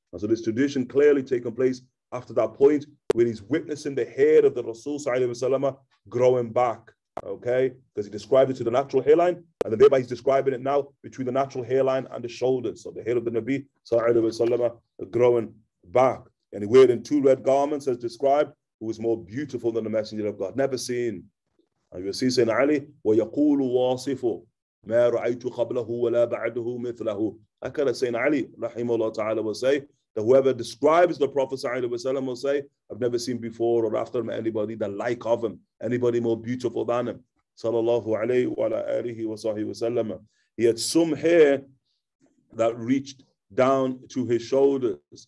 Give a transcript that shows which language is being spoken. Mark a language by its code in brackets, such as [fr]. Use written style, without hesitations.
[en] And so this tradition clearly taken place after that point when he's witnessing the hair of the Rasul sallallahu alayhi wa sallam growing back. Okay, because he described it to the natural hairline, and then thereby he's describing it now between the natural hairline and the shoulders. So the hair of the Nabi sallallahu alayhi wa sallam growing back. And he wearing two red garments as described, who was more beautiful than the Messenger of God. Never seen. And you see [ar] Sayyidina Ali, وَيَقُولُ وَاصِفُ مَا رَعَيْتُ قَبْلَهُ وَلَا بَعَدُهُ مِثْلَهُ. [en] I kind of Sayyidina Ali, رَحِمَ اللَّهُ تَعَالَى, will say that whoever describes the Prophet sallallahu alayhi wa sallam will say, I've never seen before or after him anybody the like of him, anybody more beautiful than him. Sallallahu alayhi wa alihi wa sahbihi wa sallam. He had some hair that reached down to his shoulders.